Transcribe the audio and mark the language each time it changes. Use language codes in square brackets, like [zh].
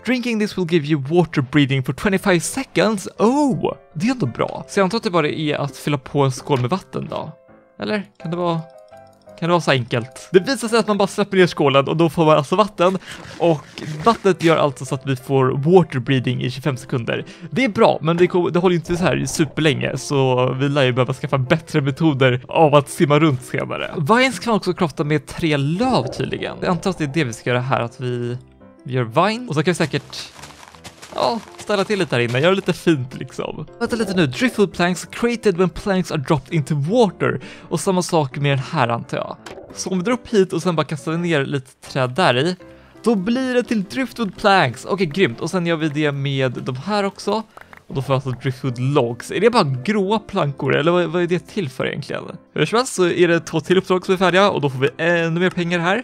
[en] Drinking this will give you water breathing for 25 seconds. [sv] Oh, det är ändå bra. Så jag antar att det bara är att fylla på en skål med vatten då. Eller kan det vara så enkelt? Det visar sig att man bara släpper ner skålen och då får man alltså vatten. Och vattnet gör alltså så att vi får water breathing i 25 sekunder. Det är bra, men det håller ju inte så här superlänge. Så vi lär ju behöva skaffa bättre metoder av att simma runt senare. Vines kan också krafta med tre löv tydligen. Jag antar att det är det vi ska göra här, att vi gör vine. Och så kan vi säkert, ja, ställa till lite här inne. Gör det lite fint liksom. Vänta lite nu. [en] Driftwood planks created when planks are dropped into water. [sv] Och samma sak med den här, antar jag. Så om vi drar upp hit och sen bara kastar ner lite träd där i, då blir det till driftwood planks. Okej, grymt. Och sen gör vi det med de här också. Och då får jag alltså driftwood logs. Är det bara gråa plankor eller vad är det till för egentligen? Hur som helst så är det två till uppdrag som är färdiga och då får vi ännu mer pengar här.